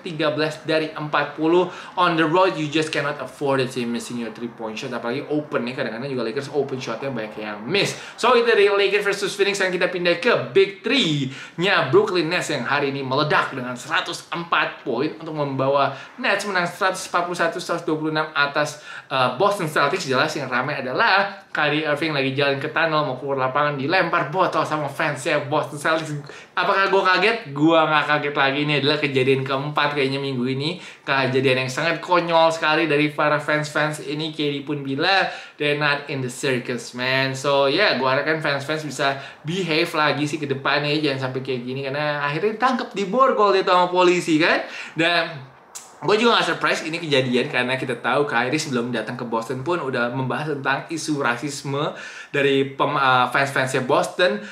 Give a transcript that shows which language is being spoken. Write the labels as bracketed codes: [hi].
[en] 13 [id] dari [en] 40 on the road, you just cannot afford it, missing your 3 point shot. [id] Apalagi opennya, kadang-kadang juga Lakers open shotnya banyak yang miss. So itu dari Lakers versus Phoenix. Dan kita pindah ke Big 3-nya Brooklyn Nets yang hari ini meledak dengan 104 poin untuk membawa Nets menang 141-126 atas Boston Celtics. Jelas yang ramai adalah Kyrie Irving lagi jalan ke tunnel mau keluar lapangan, dilempar botol sama fansnya Boston Celtics. Apakah gue kaget? Gue gak kaget lagi. Ini adalah kejadian keempat kayaknya minggu ini. Kejadian yang sangat konyol sekali dari para fans-fans ini. Kyrie pun bilang, [en] they're not in the circus, man. [id] So yeah, gue harapkan fans-fans bisa behave lagi sih ke depannya. Jangan sampai kayak gini. Karena akhirnya ditangkep di borgol dia sama polisi, kan? Dan gue juga gak surprise ini kejadian, karena kita tahu Kyrie sebelum datang ke Boston pun udah membahas tentang isu rasisme dari fans-fansnya Boston.